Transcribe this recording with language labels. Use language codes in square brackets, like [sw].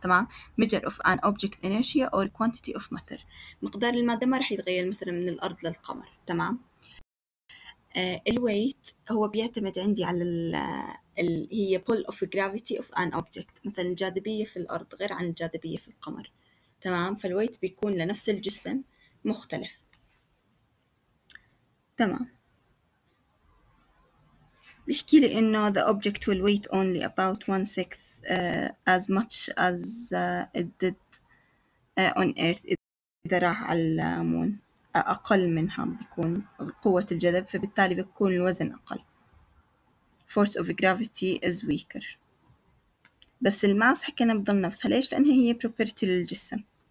[ar] تمام؟ [en] measure of an object inertia or quantity of matter، [ar] مقدار المادة ما رح يتغير مثلا من الأرض للقمر. تمام؟ الweight هو بيعتمد عندي على هي [en] pull of gravity of an object، [ar] مثلا الجاذبية في الأرض غير عن الجاذبية في القمر. تمام؟ فالweight بيكون لنفس الجسم مختلف. تمام؟ بيحكي لي إنه [en] the object will weight only about one sixth as much as it did on Earth. [ar] إذا راح على المون أقل منها بيكون قوة الجذب، فبالتالي بيكون الوزن أقل. [en] Force of gravity is weaker. [ar] بس الماس حكينا بضل نفسها. ليش؟ لأنها هي property للجسم.